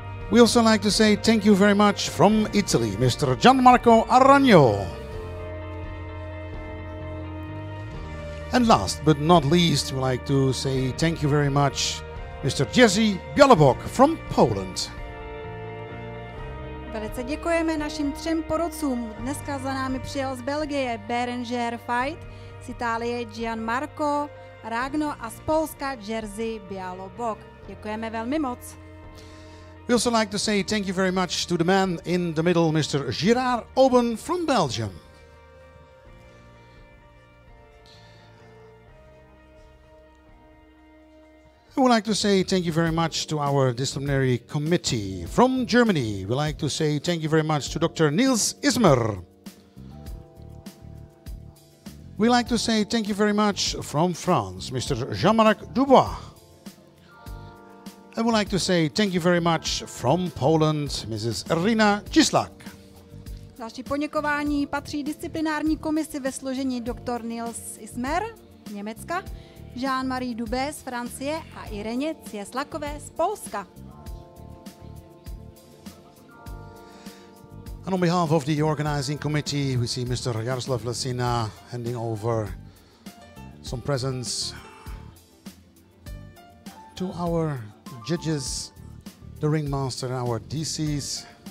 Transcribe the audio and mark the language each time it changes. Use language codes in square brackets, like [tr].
[en] We also like to say thank you very much from Italy, Mr. Gianmarco Aragno. And last but not least, we like to say thank you very much, Mr. Jerzy Bialobok from Poland. [cs] Velice děkujeme našim třem porotcům. Dneska za námi přijel z Belgie Béranger Fight, z Itálie Gianmarco Aragno a z Polska Jerzy Bialobok. Děkujeme velmi moc. [en] We also like to say thank you very much to the man in the middle, Mr. Gerard Oben from Belgium. We would like to say thank you very much to our disciplinary committee from Germany. We like to say thank you very much to Dr. Niels Ismer. We like to say thank you very much from France, Mr. Jean-Marc Dubois. I would like to say thank you very much from Poland, Mrs. Rina Cislak. [cs] Další poděkování patří disciplinární komisi ve složení Dr. Niels Ismer, Německa, Jean-Marie Dubé z Francie a Ireně Cieslakové z Polska. [en] And on behalf of the organizing committee, we see Mr. Jaroslav Lesina handing over some presents to our judges, the ringmaster, our DCs.